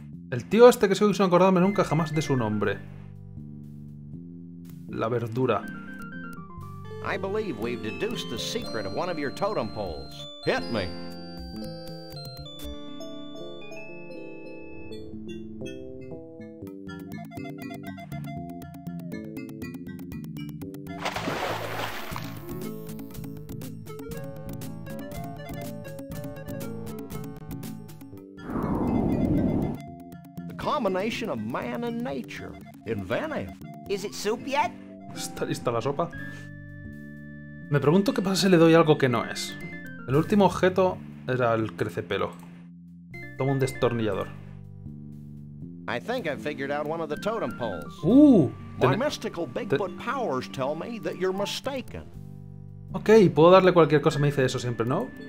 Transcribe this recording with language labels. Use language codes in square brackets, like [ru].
[es] El tío este que sigo sin acordarme nunca jamás de su nombre. La verdura. [en] I believe we've deduced the secret of one of your totem poles. Hit me. Combination of man and nature. Inventive. Is it soup yet? [es] ¿Está lista la sopa? Me pregunto qué pasa si le doy algo que no es. El último objeto era el crecepelo. Toma un destornillador. [en] I think I figured out one of the totem poles. My mystical Bigfoot powers tell me that you're mistaken. [es] Ok, puedo darle cualquier cosa, me dice eso siempre, ¿no?